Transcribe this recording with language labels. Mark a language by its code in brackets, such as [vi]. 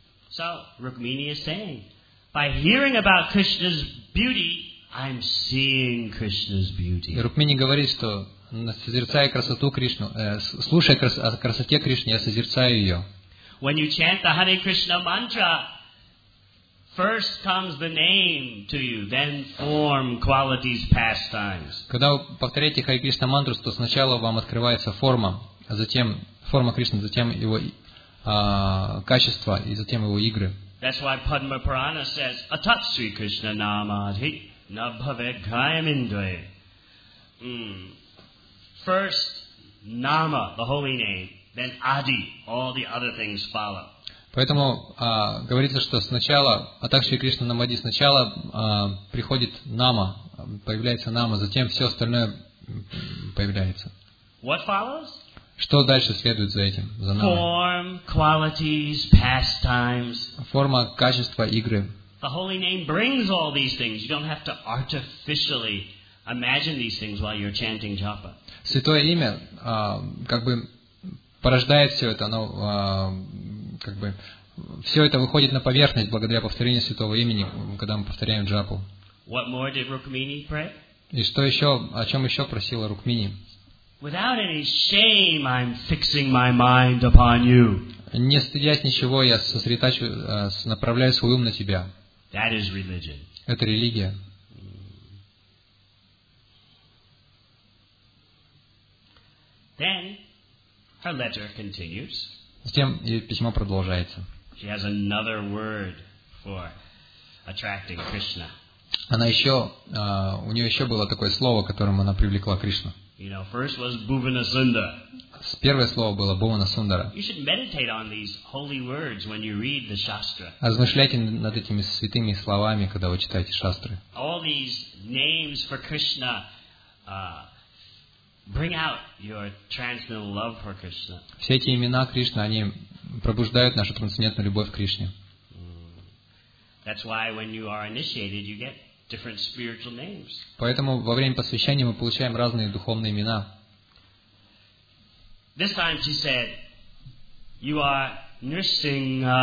[en] So, Rukmini is saying, by hearing about Krishna's beauty, I'm seeing Krishna's beauty. [ru] И Рукмини говорит, что созерцая красоту Кришну, слушая о красоте Кришны, я созерцаю ее. [en] When you chant the Hare Krishna mantra, first comes the name to you, then form, qualities, pastimes. [ru] Когда вы повторяете Хари Кришна мантру, то сначала вам открывается форма, а затем форма Кришны, затем его качества и затем его игры. [en] That's why Padma Purana says, [sa] "Atat Sri Krishna Namadhi Nabhavet Gayamindaye." [en] First Nama, the holy name, then Adi, all the other things follow. [ru] Поэтому говорится, что сначала, а так Шри Кришна Намади, сначала приходит Нама, появляется Нама, затем все остальное появляется. [en] What follows? [ru] Что дальше следует за этим, за Намой? [en] Form, qualities, pastimes. [ru] Форма, качество, игры. [en] The holy name brings all these things. You don't have to artificially Imagine these things while you're chanting japa. [ru] Святое имя как бы порождает все это, оно как бы все это выходит на поверхность благодаря повторению святого имени, когда мы повторяем джапу. [en] What more did Rukmini pray? [ru] И что еще, о чем еще просила Рукмини? [en] Without any shame, I'm fixing my mind upon you. [ru] Не стыдясь ничего, я направляю свой ум на тебя. [en] That is religion. [ru] Это религия. [en] Then her letter continues. [ru] Затем ее письмо продолжается. [en] She has another word for attracting Krishna. [ru] Она еще, у нее еще было такое слово, которым она привлекла Кришну. [en] You know, first was Bhuvanasundara. [ru] Первое слово было Бхувана-сундара. [en] You should meditate on these holy words when you read the shastra. [ru] Размышляйте над этими святыми словами, когда вы читаете шастры. [en] All these names for Krishna bring out your transcendental love for Krishna. [ru] Все эти имена Кришны, они пробуждают нашу трансцендентную любовь к Кришне. [en] That's why when you are initiated, you get different spiritual names. [ru] Поэтому во время посвящения мы получаем разные духовные имена. [en] This time she said, "You are nursing."